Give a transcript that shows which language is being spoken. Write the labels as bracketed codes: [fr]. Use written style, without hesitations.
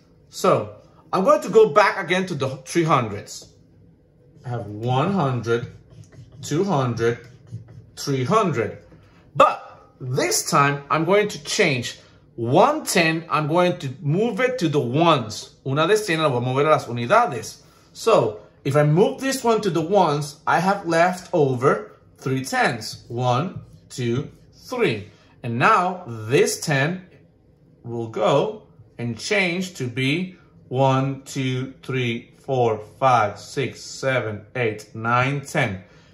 [en] So I'm going to go back again to the 300s. I have 100, 200, 300. But this time I'm going to change 110. I'm going to move it to the ones. [es] Una decena, voy a mover a las unidades. [en] So if I move this one to the ones, I have left over three tens. One, two, three. And now this 10 will go and change to be 1, 2, 3, 4, 5, 6, 7, 8, 9, 10.